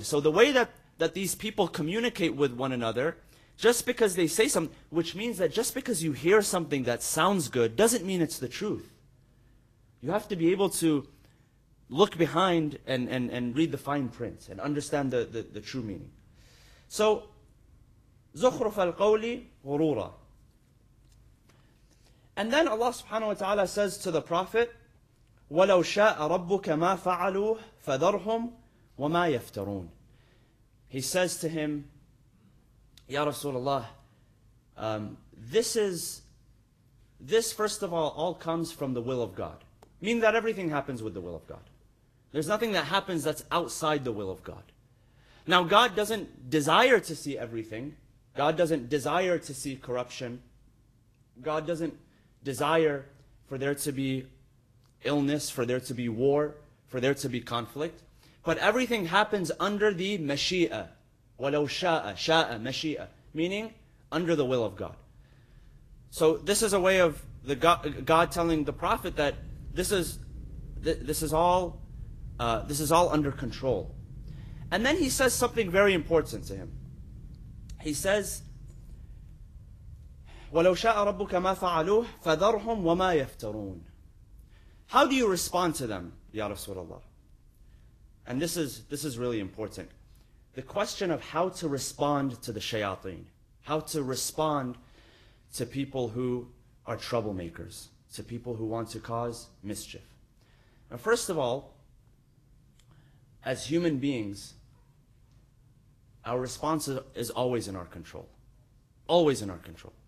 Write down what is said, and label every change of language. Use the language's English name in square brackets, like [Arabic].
[English] So the way that these people communicate with one another, just because they say something, which means that just because you hear something that sounds good, doesn't mean it's the truth. You have to be able to look behind and read the fine print and understand the true meaning. So, [Arabic] زخرف القول غرورا. [English] And then Allah subhanahu wa ta'ala says to the Prophet, [Arabic] وَلَوْ شَاءَ رَبُّكَ مَا فَعَلُوهُ فَذَرْهُمْ وَمَا يَفْتَرُونَ. [English] He says to him, Ya Rasulullah, this first of all comes from the will of God. Meaning that everything happens with the will of God. There's nothing that happens that's outside the will of God. Now, God doesn't desire to see everything. God doesn't desire to see corruption God doesn't desire for there to be illness, for there to be war, for there to be conflict. But everything happens under the mashi'a. [Arabic] Walau sha'a, sha'a, mashi'a. [English] Meaning, under the will of God. So this is a way of the God telling the Prophet that this is all under control. And then he says something very important to him. He says, [Arabic] وَلَوْ شَاءَ رَبُّكَ مَا فَعَلُوهُ فَذَرْهُمْ وَمَا يَفْتَرُونَ. [English] How do you respond to them, Ya Rasulullah? And this is really important. The question of how to respond to the shayateen, how to respond to people who are troublemakers, to people who want to cause mischief. Now, first of all, as human beings, our response is always in our control. Always in our control.